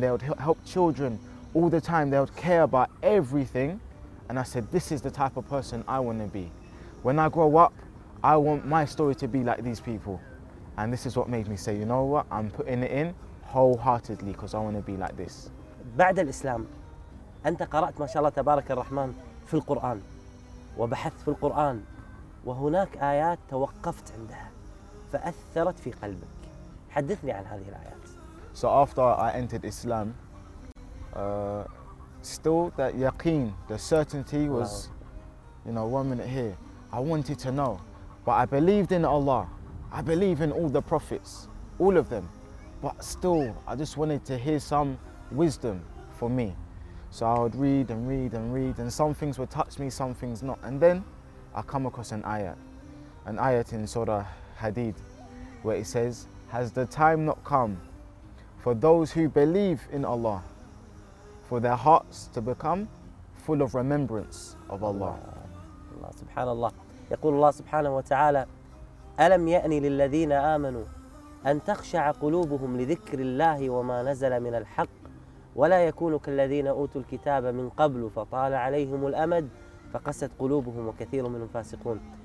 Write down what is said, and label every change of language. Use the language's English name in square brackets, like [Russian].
[English] They would help children all the time. They would care about everything. And I said, this is the type of person I want to be. When I grow up, I want my story to be like these people. And this is what made me say, you know what? I'm putting it in wholeheartedly because I want to be like this. [Arabic] بعد الإسلام، أنت قرأت ما شاء الله تبارك الرحمن في القرآن وبحثت في القرآن، وهناك آيات توقفت عندها فأثرت في قلبك. حدثني عن هذه الآيات. [English] So after I entered Islam, still that yaqeen, the certainty was, you know, one minute here. I wanted to know, but I believed in Allah. I believe in all the prophets, all of them, but still, I just wanted to hear some wisdom for me. So I would read and read and read, and some things would touch me, some things not. And then I come across an ayat in Surah Hadid, where it says, "Has the time not come for those who believe in Allah, for their hearts to become full of remembrance of Allah?" Allah subhanallah. [Arabic] يقول الله سبحانه وتعالى: "ألم يأني للذين آمنوا أن تخشع قلوبهم لذكر الله وما نزل من الحق ولا يكون كالذين أوتوا الكتاب من قبل فطال عليهم الأمد فقست قلوبهم وكثير منهم فاسقون."